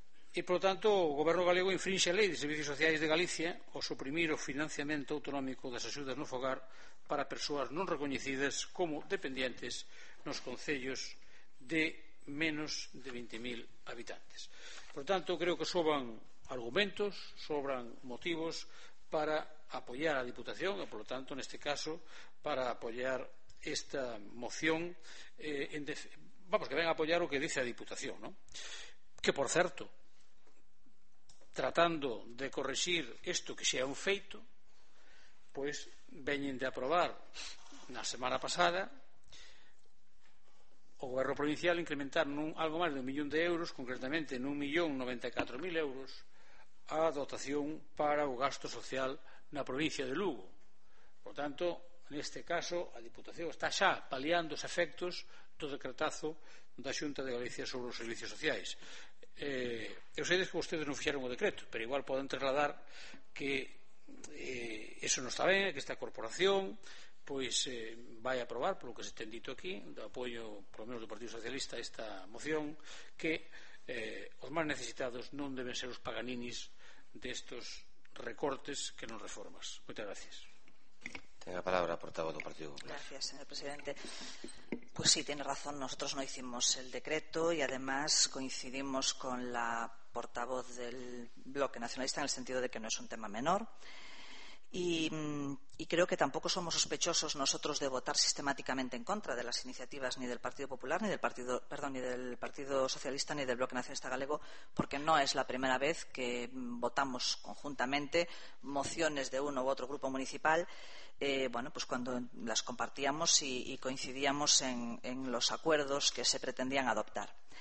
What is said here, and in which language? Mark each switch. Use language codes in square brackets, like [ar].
[gl] E, por tanto, o goberno galego infringe a lei de servicios sociais de Galicia o suprimir o financiamento autonómico das axudas no fogar para persoas non recoñecidas como dependientes nos concellos de menos de 20.000 habitantes. Por tanto, creo que sobran argumentos, sobran motivos para apoyar a Diputación e, por tanto, neste caso, para apoyar esta moción que ven a apoyar o que dice a Diputación, ¿no? Que, por certo, tratando de corregir isto que xa é un feito, pois veñen de aprobar na semana pasada o goberno provincial incrementar nun algo máis de 1 millón de euros, concretamente nun 1.094.000 euros, a dotación para o gasto social na provincia de Lugo. Por tanto, neste caso, a Diputación está xa paliando os efectos do decretazo da Xunta de Galicia sobre os servicios sociais. Eu sei que vostedes non fixaron o decreto, pero igual poden trasladar que eso non está ben, que esta corporación pois vai aprobar, polo que se ten dito aquí, do apoio, polo menos do Partido Socialista, esta moción, que os máis necesitados non deben ser os paganinis destos recortes que non reformas. Moitas gracias. Ten a palabra a portavoz do Partido Popular. [es] Gracias, señor presidente. Pues sí, tiene razón, nosotros no hicimos el decreto y además coincidimos con la portavoz del Bloque Nacionalista en el sentido de que no es un tema menor. Y creo que tampoco somos sospechosos nosotros de votar sistemáticamente en contra de las iniciativas ni del Partido Popular, ni del Partido Socialista, ni del Bloque Nacionalista Galego, porque no es la primera vez que votamos conjuntamente mociones de uno u otro grupo municipal, cuando las compartíamos y coincidíamos en los acuerdos que se pretendían adoptar.